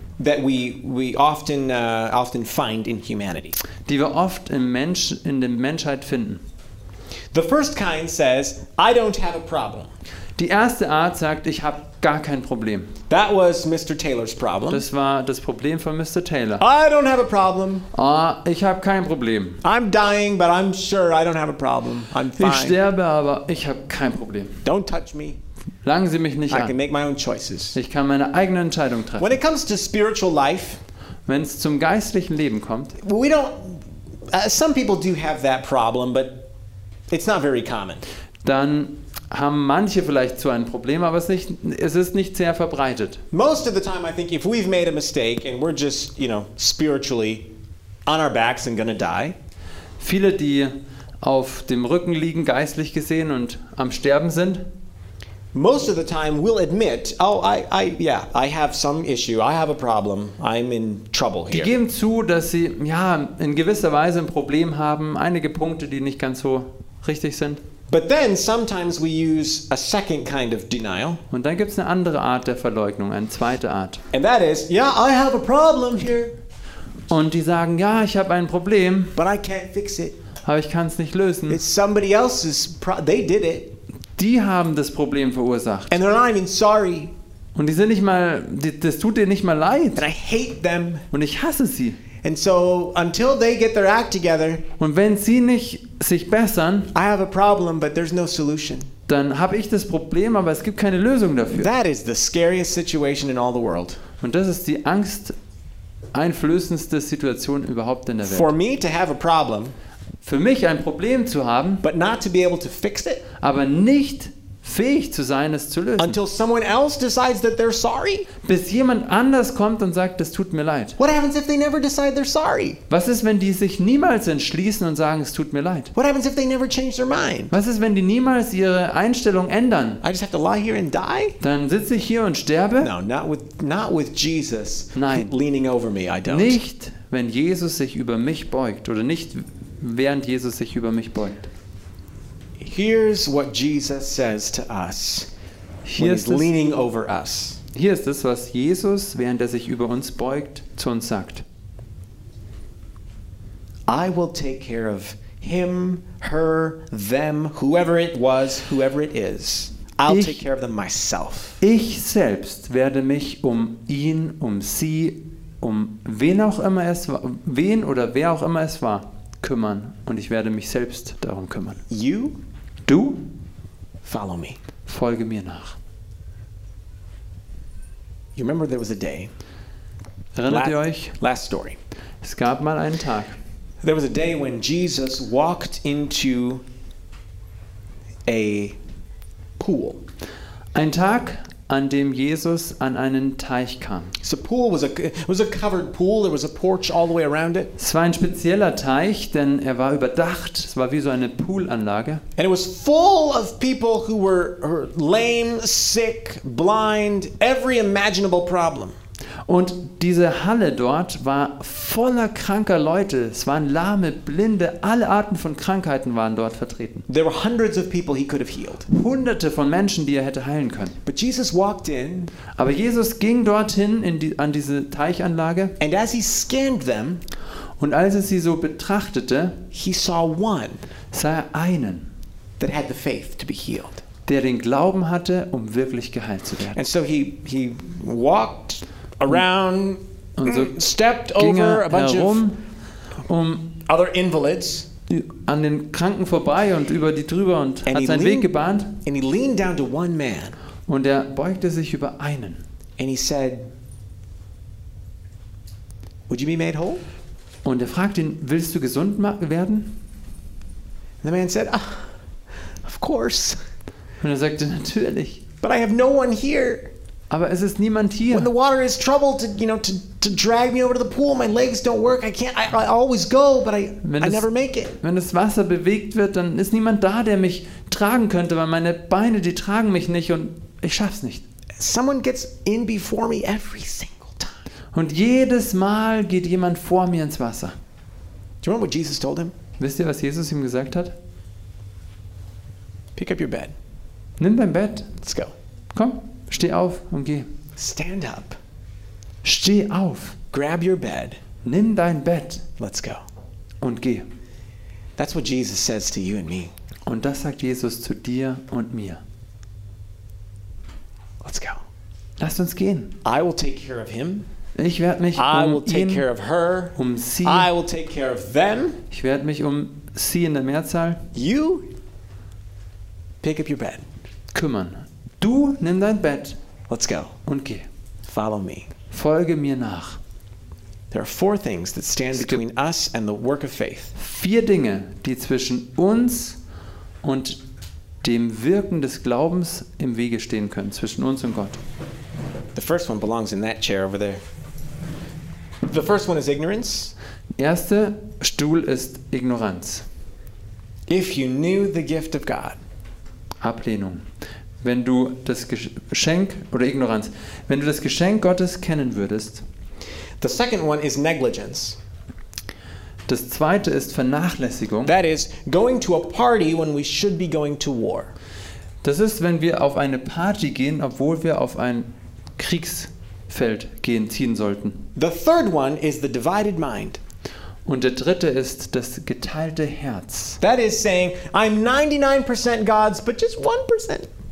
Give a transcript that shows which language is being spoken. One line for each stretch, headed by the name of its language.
English: that we often find in humanity,
German: die wir oft in der Menschheit finden.
English: The first kind says, I don't have a problem.
German: Die erste Art sagt, ich habe gar kein Problem.
English: That was Mr. Taylor's problem.
German: Das war das Problem von Mr. Taylor.
English: I don't have a problem.
German: Oh, ich habe kein Problem.
English: I'm dying, but I'm sure I don't have a problem. I'm fine.
German: Ich sterbe, aber ich habe kein Problem.
English: Don't touch me.
German: Langen Sie mich nicht
English: I
German: an.
English: I can make my own choices.
German: Ich kann meine eigene Entscheidung treffen.
English: When it comes to spiritual life,
German: wenn es zum geistlichen Leben kommt,
English: we don't. Some people do have that problem, but it's not very common.
German: Dann haben manche vielleicht so ein Problem, aber es ist nicht sehr verbreitet.
English: Most of the time I think if we've made a mistake and we're just, you know, spiritually on our backs and gonna die.
German: Viele, die auf dem Rücken liegen, geistlich gesehen und am Sterben sind.
English: Most of the time we'll admit, oh, I have some issue, I have a problem, I'm in trouble here.
German: Die geben zu, dass sie, ja, in gewisser Weise ein Problem haben, einige Punkte, die nicht ganz so richtig sind.
English: But then sometimes we use a second kind of denial.
German: Und dann gibt's eine andere Art der Verleugnung, eine zweite Art.
English: And that is, yeah, I have a problem here.
German: Und die sagen, ja, ich habe ein Problem.
English: But I can't fix it.
German: Aber ich kann's nicht lösen.
English: It's somebody else's they did it.
German: Die haben das Problem verursacht.
English: And they're not even sorry.
German: Und die sind nicht mal, das tut dir nicht mal leid.
English: And I hate them.
German: Und ich hasse sie.
English: And so until they get their act together,
German: und wenn sie nicht sich bessern,
English: I have a problem, but there's no solution.
German: dann habe ich das Problem, aber es gibt keine Lösung dafür.
English: That is the scariest situation in all the world.
German: Und das ist die angsteinflößendste Situation überhaupt in der Welt.
English: For me to have a problem,
German: für mich ein Problem zu haben,
English: but not to be able to fix it,
German: aber nicht fähig zu sein, es zu lösen.
English: Until someone else decides that they're sorry?
German: Bis jemand anders kommt und sagt, es tut mir leid.
English: What happens if they never decide they're sorry?
German: Was ist, wenn die sich niemals entschließen und sagen, es tut mir leid?
English: What happens if they never change their mind?
German: Was ist, wenn die niemals ihre Einstellung ändern?
English: I just have to lie here and die?
German: Dann sitze ich hier und sterbe?
English: No, not with Jesus.
German: Nein.
English: Leaning over me, I don't.
German: Nicht, wenn Jesus sich über mich beugt oder nicht, während Jesus sich über mich beugt.
English: Here's what Jesus says to us. When he's leaning over us.
German: Hier ist es, was Jesus, während er sich über uns beugt, zu uns sagt.
English: I will take care of him, her, them, whoever it was, whoever it is. I'll take care of them myself.
German: Ich selbst werde mich um ihn, um sie, um wen auch immer es war, wen oder wer auch immer es war, kümmern und ich werde mich selbst darum kümmern.
English: You?
German: Du,
English: follow me.
German: Folge mir nach.
English: You remember there was a day.
German: Erinnert ihr euch?
English: Last story.
German: Es gab mal einen Tag.
English: There was a day when Jesus walked into a pool.
German: Ein Tag, an dem Jesus an einen Teich kam.
English: So pool was a covered pool. There was a porch all the way around it.
German: Es war ein spezieller Teich, denn er war überdacht. Es war wie so eine Poolanlage.
English: And it was full of people who were lame, sick, blind, every imaginable problem.
German: Und diese Halle dort war voller kranker Leute. Es waren Lahme, Blinde, alle Arten von Krankheiten waren dort vertreten.
English: There were hundreds of people he could have healed.
German: Hunderte von Menschen, die er hätte heilen können.
English: But Jesus walked in,
German: aber Jesus ging dorthin an diese Teichanlage.
English: And as he scanned them,
German: und als er sie so betrachtete,
English: he saw one,
German: sah er einen,
English: that had the faith to be healed.
German: Der den Glauben hatte, um wirklich geheilt zu werden.
English: And so he walked around
German: und so
English: stepped over a bunch
German: herum,
English: of other invalids
German: an den Kranken vorbei und über die drüber und hat seinen Weg gebahnt.
English: And he leaned down to one man.
German: Und er beugte sich über einen.
English: And he said, would you be made whole?
German: Und er fragte ihn, willst du gesund werden?
English: And the man said, ah, of course.
German: Und er sagte, natürlich.
English: But I have no one here.
German: Aber es ist niemand hier.
English: When the water is troubled to, you know, to drag me over to the pool, my legs don't work. I can't. I always go, but I never make it.
German: Wenn das Wasser bewegt wird, dann ist niemand da, der mich tragen könnte, weil meine Beine, die tragen mich nicht und ich schaff's nicht.
English: Someone gets in before me every single time.
German: Und jedes Mal geht jemand vor mir ins Wasser.
English: Do you remember what Jesus told him?
German: Wisst ihr, was Jesus ihm gesagt hat?
English: Pick up your bed.
German: Nimm dein Bett.
English: Let's go.
German: Komm. Steh auf und geh.
English: Stand up.
German: Steh auf.
English: Grab your bed.
German: Nimm dein Bett.
English: Let's go.
German: Und geh.
English: That's what Jesus says to you and me.
German: Und das sagt Jesus zu dir und mir.
English: Let's go.
German: Lasst uns gehen.
English: I will take care of him.
German: Ich werde mich um ihn.
English: I will take care of her.
German: Um sie.
English: I will take care of them.
German: Ich werde mich um sie in der Mehrzahl.
English: You pick up your bed.
German: Kümmern. Du nimm dein Bett.
English: Let's go.
German: Und geh.
English: Follow me.
German: Folge mir nach.
English: There are four things that stand between us and the work of faith.
German: Vier Dinge, die zwischen uns und dem Wirken des Glaubens im Wege stehen können, zwischen uns und Gott.
English: The first one belongs in that chair over there. The first one is ignorance.
German: Erste Stuhl ist Ignoranz.
English: If you knew the gift of God.
German: Ablehnung. Wenn du das Geschenk oder Ignoranz, wenn du das Geschenk Gottes kennen würdest.
English: The second one is negligence.
German: Das zweite ist Vernachlässigung.
English: That is going to a party when we should be going to war.
German: Das ist, wenn wir auf eine Party gehen, obwohl wir auf ein Kriegsfeld gehen ziehen sollten.
English: The third one is the divided mind.
German: Und der dritte ist das geteilte Herz.
English: That is saying I'm 99% God's but just 1%.